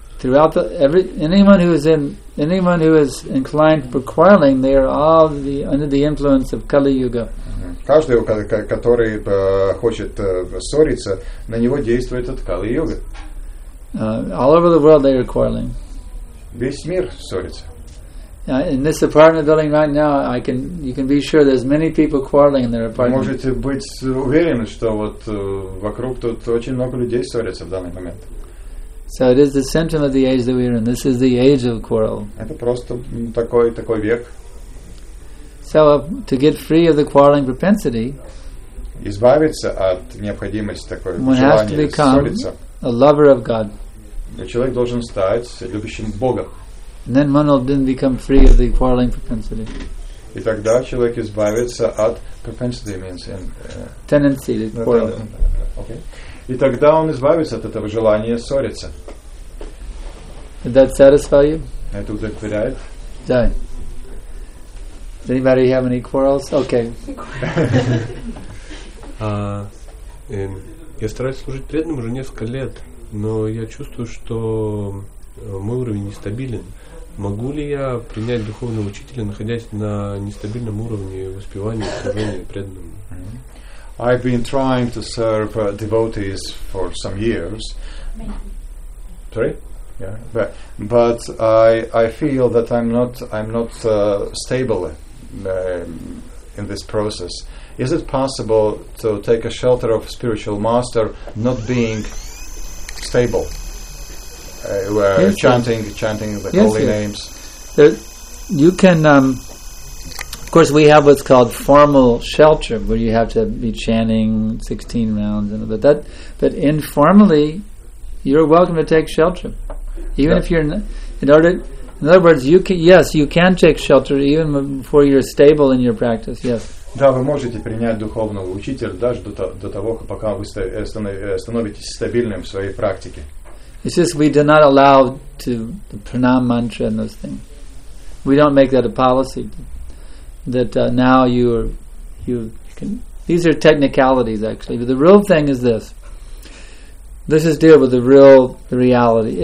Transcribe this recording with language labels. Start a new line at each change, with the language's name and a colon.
English: Anyone who is inclined for quarreling, they are all under the influence of Kali Yuga.
Russian: Каждый, который хочет ссориться, на него действует этот Kali Yuga.
English: All over the world, they are quarreling.
Russian: Весь мир ссорится.
English: In this apartment building right now, you can be sure there's many people quarreling in their apartment.
Russian: Можете быть уверены, что вот вокруг тут очень много людей ссорятся в данный момент.
English: So it is the symptom of the age that we are in. This is the age of quarrel.
Russian: Это просто такой век.
English: So to get free of the quarreling propensity,
Russian: избавиться от необходимости такой желания ссориться.
English: One has to become a lover of God.
Russian: Человек должен стать любящим Бога.
English: And then one will then become free of the quarreling propensity.
Russian: И тогда человек избавится от
English: propensity means in tendency to quarrel.
Russian: Okay. И тогда он избавится от этого желания ссориться.
English: Did that satisfy you?
Russian: Это удовлетворяет?
English: Да. Does anybody have any quarrels? Okay.
Russian: Я стараюсь служить преданным уже несколько лет, но я чувствую, что мой уровень нестабилен. Могу ли я принять духовного учителя, находясь на нестабильном уровне воспевания, служения преданному?
English: I've been trying to serve devotees for some years. Sorry? Yeah. But I feel that I'm not stable in this process. Is it possible to take a shelter of spiritual master not being stable? Chanting the holy names. Of course, we have what's called formal shelter, where you have to be chanting 16 rounds. But informally, you're welcome to take shelter, even if you're in other words, you can take shelter even before you're stable in your practice. Yes.
Russian: Да, вы можете принять духовного учителя даже до того, пока вы становитесь стабильным в своей практике.
English: It's just we do not allow to the pranam mantra and those things. We don't make that a policy. That now you can. These are technicalities, actually. But the real thing is this. This is deal with the real reality.